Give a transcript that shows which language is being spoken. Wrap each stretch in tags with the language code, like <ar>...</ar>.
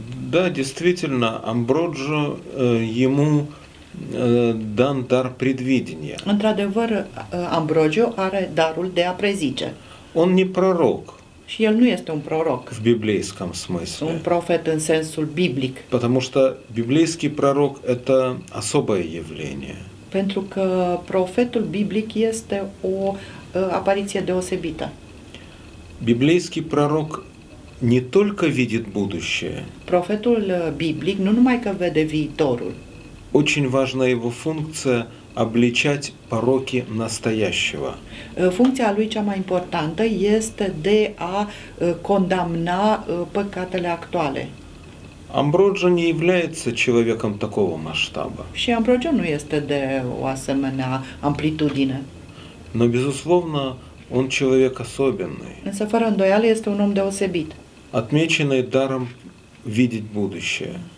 <ru>Да, действительно, Амброджо, ему дан дар предвидения.</ru> <ro>Într-adevăr, Амброджо are darul de a prezice.</ro> <ru>Он не пророк.</ru> <ro>Și el nu este un proroc.</ro> <ru>В библейском смысле.</ru> <ro>Un profet în sensul biblic.</ro> <ru>Потому что библейский пророк – это особое явление.</ru> <ro>Pentru că profetul biblic este o apariție deosebită.</ro> <ru>Библейский пророк не только видит будущее.</ru> <ro>Profetul biblic nu numai că vede viitorul.</ro> <ru>Очень важна его функция обличать пороки настоящего. Функция</ru> <ro>lui cea mai importantă este de a condamna păcatele actuale.</ro> <ru>Амброджо не является человеком такого масштаба.</ru> <ro>Și Амброджо nu este de o asemenea amplitudine.</ro> <ru>Но безусловно, он человек особенный.</ru> <ro>Însă, fără îndoială, este un om deosebit.</ro> <ru>Отмеченный даром видеть будущее.</ru>